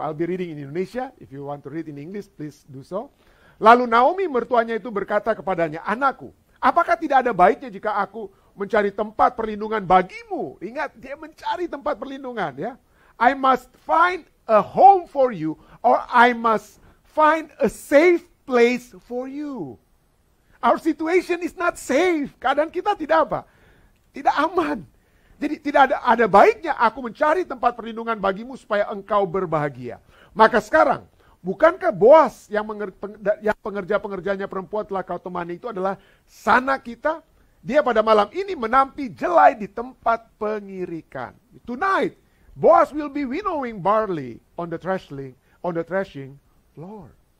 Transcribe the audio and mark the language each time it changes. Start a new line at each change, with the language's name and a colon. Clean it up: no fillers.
English: I'll be reading in Indonesia. If you want to read in English, please do so.
Indonesian: Lalu Naomi mertuanya itu berkata kepadanya, anakku, apakah tidak ada baiknya jika aku mencari tempat perlindungan bagimu. Ingat, dia mencari tempat perlindungan. Ya.
English: I must find a home for you, or I must find a safe place for you. Our situation is not safe.
Indonesian: Keadaan kita tidak apa? Tidak aman. Jadi tidak ada baiknya aku mencari tempat perlindungan bagimu supaya engkau berbahagia. Maka sekarang, bukankah Boas yang pengerja-pengerjanya perempuan telah kau temani itu adalah sanak kita? Dia pada malam ini menampi jelai di tempat pengirikan.
English: Tonight, Boas will be winnowing barley on the threshing floor.